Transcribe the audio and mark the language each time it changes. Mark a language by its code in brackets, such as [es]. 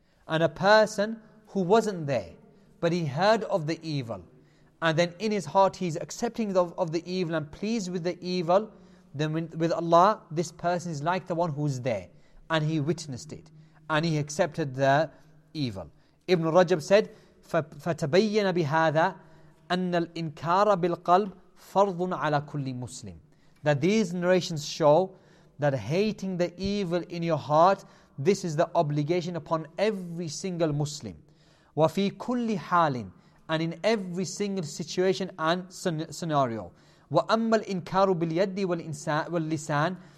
[en] And a person who wasn't there, but he heard of the evil, and then in his heart he's accepting of the evil and pleased with the evil, then with Allah, this person is like the one who's there, and he witnessed it, and he accepted the evil. Ibn Rajab said, [ar] فَتَبَيَّنَ بِهَذَا أَنَّ الْإِنْكَارَ بِالْقَلْبِ فَرْضٌ عَلَى كُلِّ مُسْلِمٍ. [en] That these narrations show that hating the evil in your heart, this is the obligation upon every single Muslim. [ar] وَفِي كُلِّ حَالٍ. [en] And in every single situation and scenario. [ar] وَأَمَّا الْإِنْكَارُ بِالْيَدِّ وَاللِّسَانِ.